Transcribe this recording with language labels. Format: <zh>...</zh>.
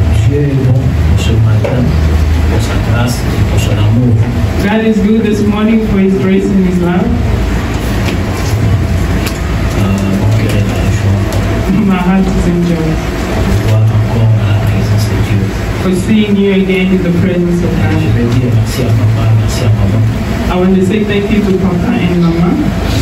<fr>Dieu est bon pour ce matin, pour sa grâce et pour son amour.</fr> <en>God is good this morning for his grace and his love.</en> <fr>Mon cœur est dans la joie.</fr> <en>My heart is in joy.</en> <fr>Pour voir encore dans la présence de Dieu.</fr> <en>For seeing you again in the presence of God.</en> <fr>Je vais dire merci à papa, merci à maman.</fr> <en>I want to say thank you to papa and mama.</en>